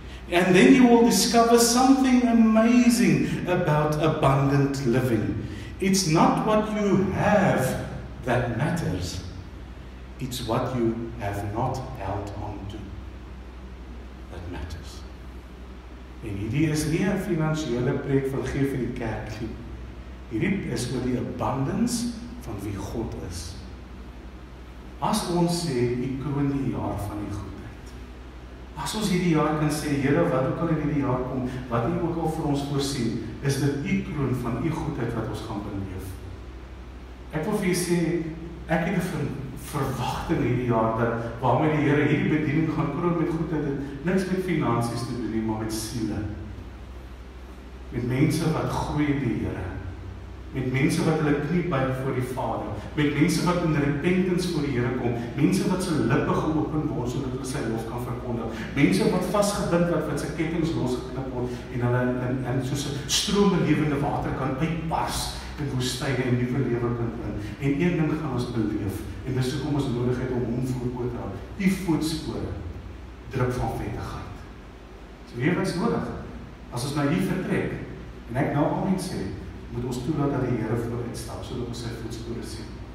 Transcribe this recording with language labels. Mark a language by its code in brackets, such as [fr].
[en] And then you will discover something amazing about abundant living. It's not what you have that matters, it's what you have not held on to that matters. [af] En hierdie is nie 'n finansiële preek van gee vir die kerk nie. Hierdie is oor die abundance van wie God is. As ons sê, u kroon die jaar van die goedheid. As ons hierdie jaar kan sê, Here, wat ook al in hierdie jaar kom, wat u ook al vir ons voorsien, is dit u kroon van u goedheid wat ons gaan beleef. Ek wil vir u sê, ek het 'n verwagting hierdie jaar dat waarmee die Here hierdie bediening gaan kroon met goedheid en niks met finansies te doen nie, maar met siele. Met mense wat groei die Here. Met mense wat hulle knie buig voor die Vader, met mense wat in repentance voor die Here kom, mense wat sy lippe geopen word sodat hulle sy lof kan verkondig, mense wat vasgebind word wat sy kettinge losgeknip word en hulle in soos 'n strome lewende water kan uitbars. Die woestyne en nuwe lewe kan in. En een ding gaan ons beleef, en dis hoekom ons nodig het om hom voorbo te hou. Die voetspore drup van vettigheid. So weer wat is nodig. As ons nou hier vertrek, en ek nou al net sê, moet ons toelaat dat die Here vooruit stap sodat ons sy voetspore sien.